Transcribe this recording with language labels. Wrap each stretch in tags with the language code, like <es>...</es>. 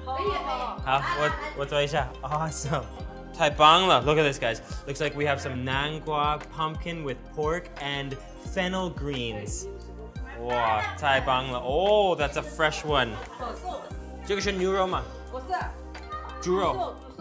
<zh>海带吗？嗯。哦，太棒了！你自己吃什么？早餐这个是你的吗？嗯，这是我的。这个好吃的吗？好吃。好吃的吗？我可以来一份吗？可以。好，我做一下。Awesome，太棒了</zh> <en>！Look at this, guys. Looks like we have some 南瓜 pumpkin with pork and fennel greens.</en> <zh>哇，太棒了！</zh> <en>Oh， that's a fresh one.</en> <zh>这个是牛肉吗？不是。猪肉。</zh>